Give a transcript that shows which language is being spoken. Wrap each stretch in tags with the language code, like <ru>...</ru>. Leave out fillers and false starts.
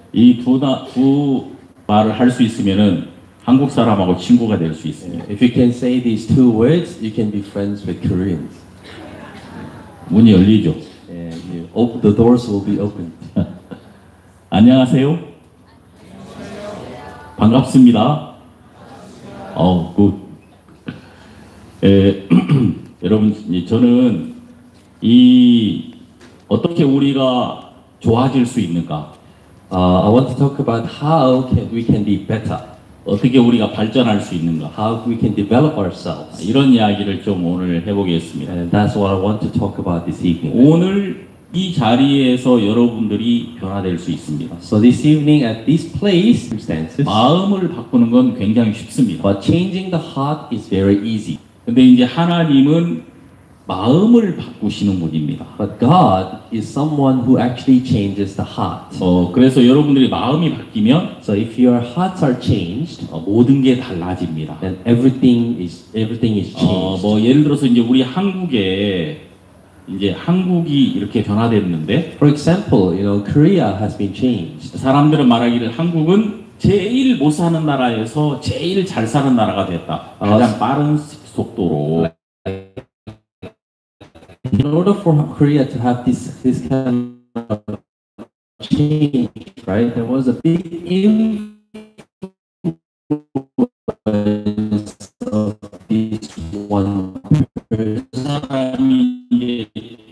<ko>이 두 말을 할 수 있으면은 한국 사람하고 친구가 될 수 있습니다.</ko> <en>If you can say these two words, you can be friends with Koreans.</en> <ko>문이 열리죠.</ko> <en>The doors will be opened.</en> <ko>안녕하세요. 반갑습니다.</ko> <en>Oh, good.</en> <ko>에, 여러분, 저는 이 어떻게 우리가 좋아질 수 있는가?</ko> <en>I want to talk about how we can be better.</en> <ko>어떻게 우리가 발전할 수 있는가?</ko> <en>How we can develop ourselves.</en> <ko>이런 이야기를 좀 오늘 해보겠습니다.</ko> <en>And that's what I want to talk about this evening.</en> <ko>오늘 이 자리에서 여러분들이 변화될 수 있습니다.</ko> <en>So this evening at this place, circumstances.</en> <ko>마음을 바꾸는 건 굉장히 쉽습니다.</ko> <en>But changing the heart is very easy.</en> <ko>근데 이제 하나님은 마음을 바꾸시는 분입니다.</ko> <en>But God is someone who actually changes the heart.</en> <ko>그래서 여러분들이 마음이 바뀌면,</ko> <en>so if your hearts are changed,</en> <ko>모든 게 달라집니다.</ko> <en>Then everything is changed.</en> <ko>뭐 예를 들어서 이제 우리 한국에 이제 한국이 이렇게 변화됐는데,</ko> <en>for example, you know, Korea has been changed.</en> <ko>사람들은 말하기를 한국은 제일 못 사는 나라에서 제일 잘 사는 나라가 됐다. 가장 빠른 속도로.</ko> <en>In order for Korea to have this kind of change, right, there was a big influence of this one person.</en>